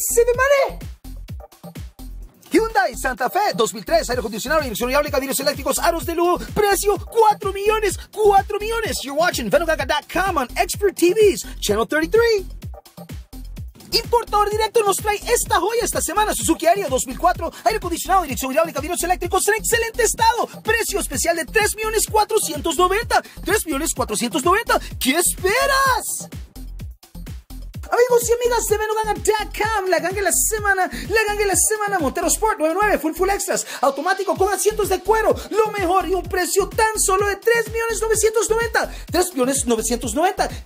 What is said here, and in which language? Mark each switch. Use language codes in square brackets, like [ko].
[en] ¡Save! ¡Ah, can save money! [es] Hyundai Santa Fe 2003, aire acondicionado, dirección hidráulica, vidrios eléctricos, aros de lujo, precio $4,000,000. [en] You're watching Venugaga.com on Expert TVs, Channel 33. [es] Importador Directo nos trae esta joya esta semana, Suzuki Ariya 2004, aire acondicionado, dirección hidráulica, vidrios eléctricos, en excelente estado, precio especial de $3,490,000. ¿Qué esperas? Amigos y amigas de Venuganga.com, la ganga de la semana, la ganga de la semana, Montero Sport 99, full extras, automático con asientos de cuero, lo mejor y un precio tan solo de $3,990,000.